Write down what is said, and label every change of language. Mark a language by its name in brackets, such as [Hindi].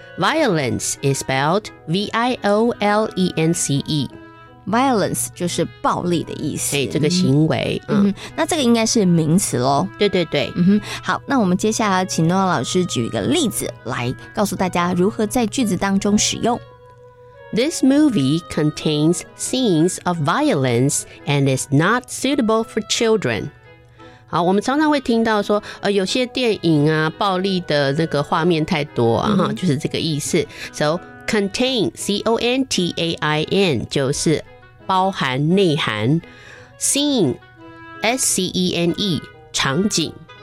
[English] violence is spelled V-I-O-L-E-N-C-E [Chinese] VIOLENCE 就是暴力的意思，这个行为，那这个应该是名词咯。对对对，好，那我们接下来请诺老师举一个例子来告诉大家如何在句子当中使用。 [English] This movie contains scenes of violence and is not suitable for children。 [Chinese] 好，我们常常会听到说有些电影啊暴力的那个画面太多啊，就是这个意思。 [English] So contain, C-O-N-T-A-I-N, [Chinese] 就是包含内涵。 [English] Scene, S-C-E-N-E, [Chinese] 场景。